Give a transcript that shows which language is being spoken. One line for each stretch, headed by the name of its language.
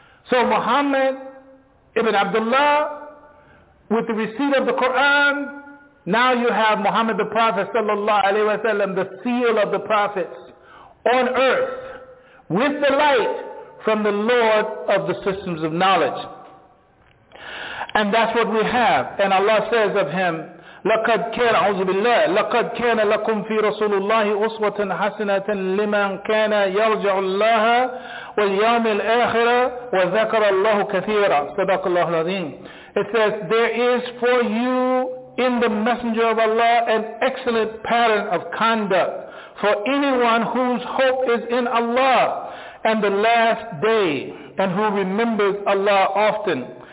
English: So Muhammad ibn Abdullah, with the receipt of the Quran, now you have Muhammad the Prophet sallallahu alaihi wasallam, the seal of the prophets on earth, with the light from the Lord of the systems of knowledge. And that's what we have. And Allah says of him,
Arabic: لَقَدْ كَانَ أَعُوذُ بِاللَّهِ لَقَدْ كَانَ لَكُمْ فِي رَسُولِ اللَّهِ أُسْوَةً حَسَنَةً لِمَنْ كَانَ يَرْجُو اللَّهَ وَالْيَوْمَ الْآخِرَ وَذَكَرَ اللَّهُ كَثِيرًا صَدَقَ اللَّهُ الْعَظِيمُ.
English: It says, there is for you in the Messenger of Allah an excellent pattern of conduct for anyone whose hope is in Allah and the last day and who remembers Allah often.